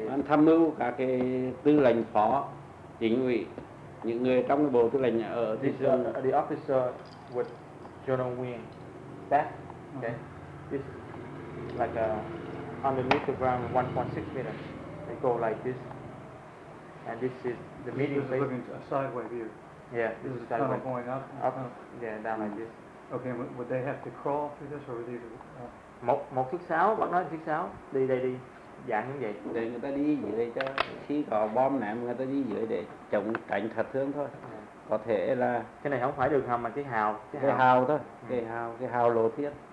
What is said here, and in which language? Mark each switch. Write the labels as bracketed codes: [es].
[vi] Anh tham mưu cả cái tư lệnh phó, chính ủy, những người trong cái bộ tư lệnh ở [en] this is the officer with General Nguyên, that, okay? This like underneath the ground 1.6 meters. They go like this. And this is the meeting place. This is looking to a sideway view. Yeah, this is a tunnel going up. Up, yeah, down like this. Okay, would they have to crawl through this or would they... [vi] Một chiếc sáo, bác nói chiếc sáo, đi đây đi, dạng như vậy. Để người ta đi dưới đây cho, khi có bom ném người ta đi dưới để chống cảnh thật thương thôi. Có thể là... Cái này không phải đường hầm mà cái hào. Cái hào thôi, cái hào lộ thiên.